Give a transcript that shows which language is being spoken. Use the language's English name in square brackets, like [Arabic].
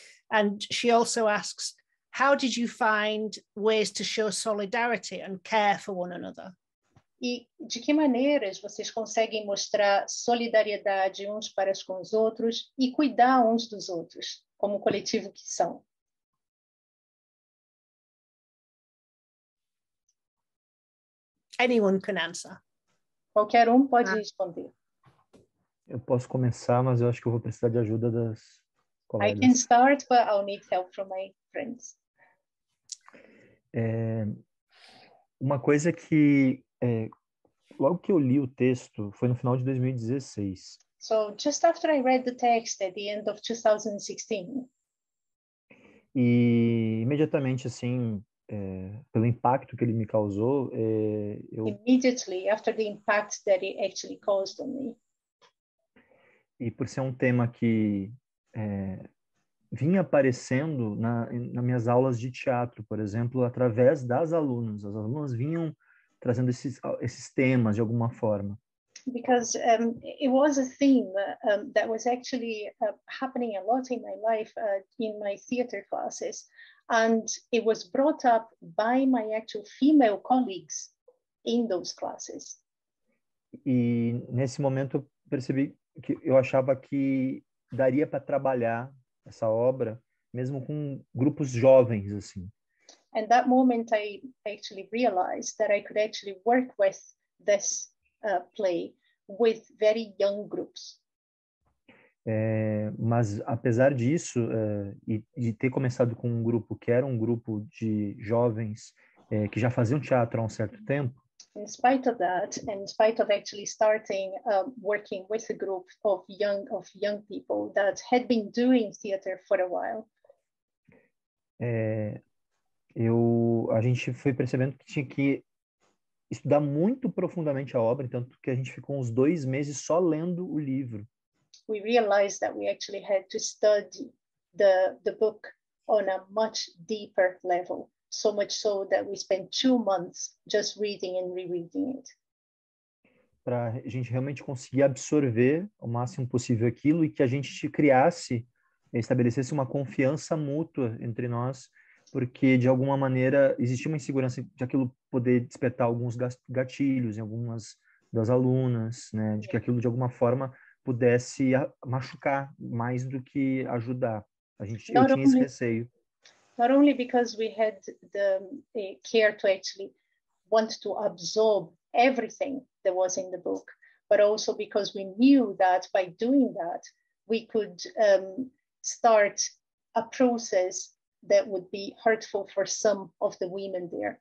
[English] And she also asks, how did you find ways to show solidarity and care for one another? [Portuguese] E de que maneiras vocês conseguem mostrar solidariedade uns para com os outros e cuidar uns dos outros, como coletivo que são? [English] Anyone can answer. [Portuguese] Qualquer pode responder. Eu posso começar, mas eu acho que eu vou precisar de ajuda das colegas. [English] I can start, but I'll need help from my friends. [Portuguese] Uma coisa que logo que eu li o texto foi no final de 2016. [English] So just after I read the text at the end of 2016. [Portuguese] E imediatamente assim, pelo impacto que ele me causou, eu [English] immediately after the impact that it actually caused on me. [Portuguese] E por ser um tema que vinha aparecendo nas minhas aulas de teatro, por exemplo, através das alunas. As alunas vinham trazendo esses temas de alguma forma. [English] Because it was a theme that was actually happening a lot in my life, in my theater classes, and it was brought up by my actual female colleagues in those classes. [Portuguese] E nesse momento eu percebi que eu achava que daria para trabalhar essa obra, mesmo com grupos jovens, assim. [English] And that moment I actually realized that I could actually work with this play with very young groups. [Portuguese] Mas apesar disso, e ter começado com um grupo que era um grupo de jovens que já faziam teatro há um certo tempo. [English] In spite of that, and in spite of actually starting working with a group of young people that had been doing theater for a while, [Portuguese] a gente foi percebendo que tinha que estudar muito profundamente a obra, tanto que a gente ficou uns 2 meses só lendo o livro. [English] We realized that we actually had to study the book on a much deeper level. So much so that we spent 2 months just reading and rereading it. [Portuguese] Para a gente realmente conseguir absorver o máximo possível aquilo e que a gente criasse, estabelecesse uma confiança mútua entre nós, porque de alguma maneira existia uma insegurança de aquilo poder despertar alguns gatilhos em algumas das alunas, né? De que aquilo de alguma forma pudesse machucar mais do que ajudar. Eu tinha esse receio. [English] Not only because we had the care to actually want to absorb everything that was in the book, but also because we knew that by doing that, we could start a process that would be hurtful for some of the women there.